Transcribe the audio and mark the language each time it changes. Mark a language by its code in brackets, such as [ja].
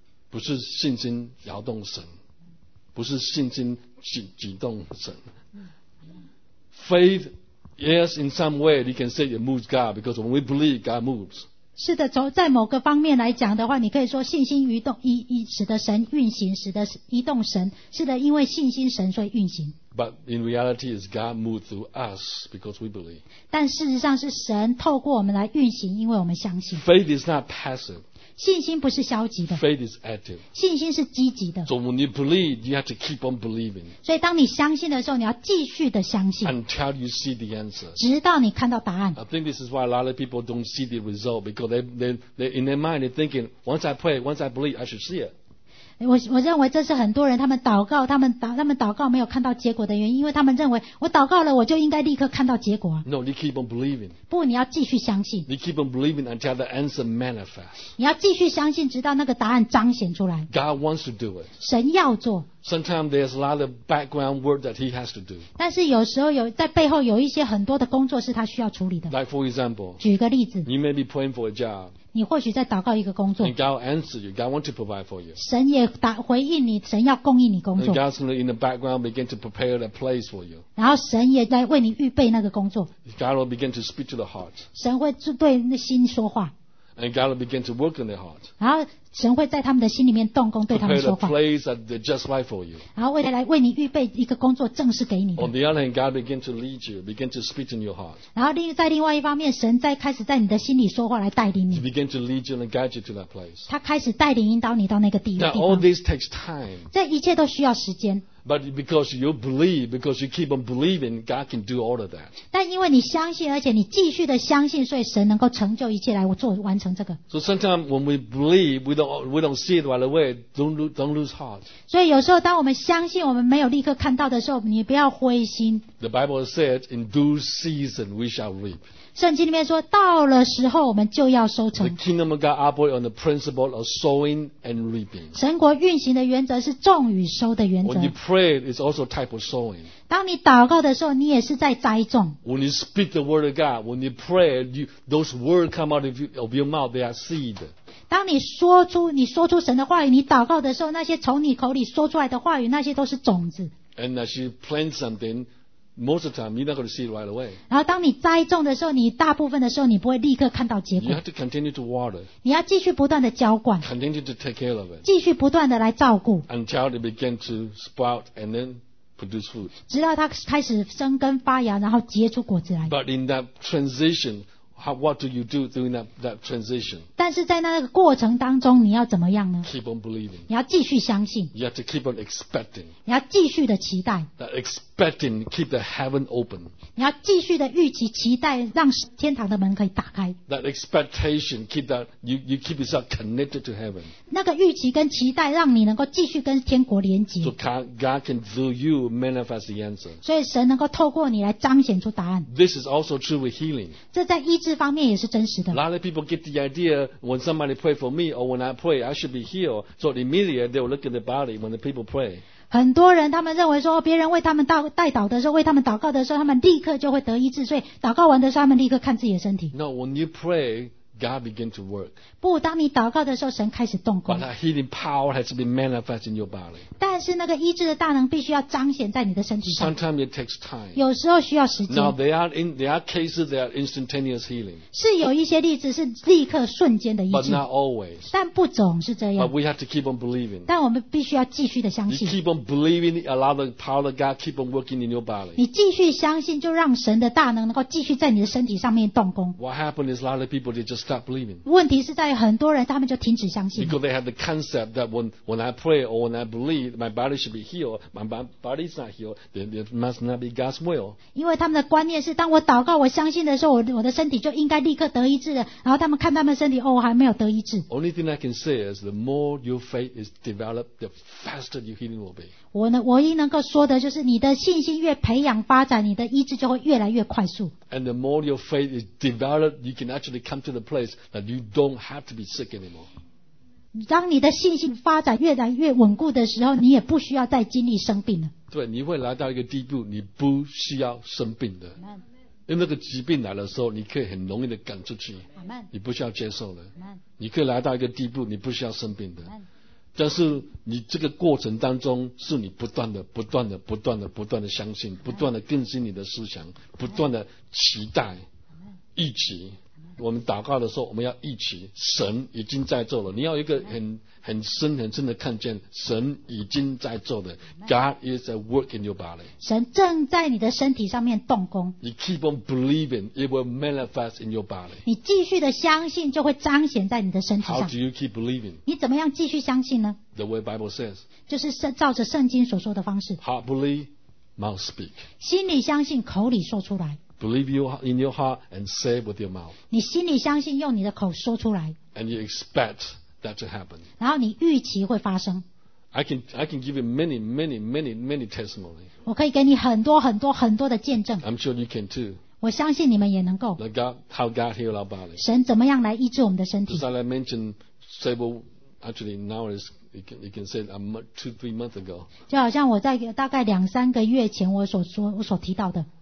[zh] 不是信心摇动神不是信心举动神 [en] Faith yes in some way you can say it moves God because when we believe God moves [zh] 是的在某个方面来讲的话你可以说信心移动使得神运行使得移动神是的因为信心神所以运行 [en] But in reality is God moved through us because we believe [zh] 但事实上是神透过我们来运行因为我们相信 [en] Faith is not passive [zh] 信心不是消极的 [en] Faith is active. [zh] 信心是积极的 [en] So when you believe, you have to keep on believing. [zh] 所以当你相信的时候你要继续的相信 [en] Until you see the answer. [zh] 直到你看到答案 [en] I think this is why a lot of people don't see the result because they in their mind they're thinking once I pray, once I believe, I should see it. [zh] 我认为这是很多人他们祷告没有看到结果的原因因为他们认为我祷告了我就应该立刻看到结果 [en] No, you keep on believing [zh] 不你要继续相信 [en] You keep on believing until the answer manifests [zh] 你要继续相信直到那个答案彰显出来 [en] God wants to do it [zh] 神要做 [en] Sometimes there's a lot of background work that he has to do [zh] 但是有时候有在背后有一些很多的工作是他需要处理的 [en] Like for example [zh] 举个例子 [en] You may be praying for a job [zh] 你或许在祷告一个工作 [en] And God will answer you God wants to provide for you [zh] 神也回应你神要供应你工作 [en] And God's going to in the background begin to prepare a place for you [zh] 然后神也来为你预备那个工作 [en] God will begin to speak to the heart [zh] 神会对那心说话 [en] And God will begin to work in their heart [zh] 然后神会在他们的心里面动工对他们说话 [en] Prepare a place that they're just right for you [zh] 然后未来为你预备一个工作正式给你 [en] On the other hand God begin to lead you begin to speak in your heart [zh] 然后在另外一方面神在开始在你的心里说话来带领你 [en] He begin to lead you and guide you to that place [zh] 他开始带领引导你到那个地方 [en] Now all this takes time [zh] 这一切都需要时间 [en] But because you believe, because you keep on believing, God can do all of that. [zh] 但因为你相信，而且你继续的相信，所以神能够成就一切来做完成这个。 [en] So sometimes when we believe, we don't see it right away. Don't lose heart. [zh] 所以有时候当我们相信，我们没有立刻看到的时候，你不要灰心。 [en] The Bible says, "In due season we shall reap." [zh] 圣经里面说，到了时候我们就要收成。 [en] The kingdom of God operates on the principle of sowing and reaping. [zh] 神国运行的原则是种与收的原则。 [en] Prayer is also type of sowing. [zh] 当你祷告的时候，你也是在栽种。 [en] When you speak the word of God, when you pray, those words come out of your mouth. They are seed. [zh] 当你说出神的话语，你祷告的时候，那些从你口里说出来的话语，那些都是种子。 [en] And as you plant something, most of the time, you're not going to see it right away. [zh] 然后当你栽种的时候，你大部分的时候，你不会立刻看到结果。 [en] You have to continue to water. [zh] 你要继续不断的浇灌。 [en] Continue to take care of it. [zh] 继续不断的来照顾。 [en] Until it begin to sprout and then produce food. [zh] 直到它开始生根发芽，然后结出果子来。 [en] But in that transition, what do you do during that transition? [zh] 但是在那个过程当中，你要怎么样呢？ [en] Keep on believing. [zh] 你要继续相信。 [en] You have to keep on expecting. [zh] 你要继续的期待。 [en] Expecting, keep the heaven open. [zh] 你要继续的预期期待，让天堂的门可以打开。 [en] That expectation, keep that you keep yourself connected to heaven. [zh] 那个预期跟期待，让你能够继续跟天国连接。 [en] So God can through you manifest the answer. [zh] 所以神能够透过你来彰显出答案。 [en] This is also true with healing. [zh] 这在医治方面也是真实的。 [en] A lot of people get the idea when somebody pray for me or when I pray, I should be healed. So immediately they will look at the body when the people pray. [zh] 很多人他们认为说别人为他们代祷的时候为他们祷告的时候他们立刻就会得医治所以祷告完的时候他们立刻看自己的身体 [en] No, when you pray, God begins to work. [zh] 不当你祷告的时候神开始动工 [en] But that healing power has to be manifest in your body. [zh] 但是那个医治的大能必须要彰显在你的身体上 [en] Sometimes it takes time. [zh] 有时候需要时间 [en] Now there are cases that are instantaneous healing. [zh] 是有一些例子是立刻瞬间的医治 [en] But not always. [zh] 但不总是这样 [en] But we have to keep on believing. [zh] 但我们必须要继续的相信 [en] You keep on believing, allow the power of God keep on working in your body. [zh] 你继续相信就让神的大能能够继续在你的身体上面动工 [en] What happened is a lot of people they just stop believing. [zh] 问题是在很多人他们就停止相信 [en] Because they have the concept that when I pray or when I believe, my body should be healed. My body is not healed. It must not be God's will. [zh] 因为他们的观念是当我祷告我相信的时候 我的身体就应该立刻得医治了然后他们看他们身体哦还没有得医治 [en] Only thing I can say is the more your faith is developed, the faster your healing will be. [zh] 我唯一能够说的就是你的信心越培养发展你的医治就会越来越快速 [en] And the more your faith is developed, you can actually come to the place that you don't have to be sick anymore. [zh] 当你的信心发展越来越稳固的时候你也不需要再经历生病了对你会来到一个地步你不需要生病的、 [en] Amen. [zh] 因为那个疾病来的时候你可以很容易的赶出去、 [en] Amen. [zh] 你不需要接受了、 [en] Amen. [zh] 你可以来到一个地步你不需要生病的、 [en] Amen. [zh] 但是你这个过程当中是你不断的不断的不断的不断的相信不断的更新你的思想不断的期待预期我们祷告的时候我们要预期神已经在做了你要一个很深很深的看见神已经在做的 [en] God is at work in your body [zh] 神正在你的身体上面动工 [en] You keep on believing it will manifest in your body [zh] 你继续的相信就会彰显在你的身体上 [en] How do you keep believing [zh] 你怎么样继续相信呢 [en] The way Bible says [zh] 就是照着圣经所说的方式 [en] Heart believe, mouth speak [zh] 心里相信口里说出来 [en] Believe in your heart and say with your mouth. [zh] 你心里相信用你的口说出来。 [en] And you expect that to happen. [zh] 然后你预期会发生。 [en] I can give you many, many, many, many testimonies. [zh] 我可以给你很多很多很多的见证。 [en] I'm sure you can too. [zh] 我相信你们也能够。 [en] Like God, how God healed our body. [zh] 神怎么样来医治我们的身体。 [en] Just like I mentioned several, actually now is... You can say a month, two, 3 months ago. [zh] 就好像我在大概两三个月前我所提到的。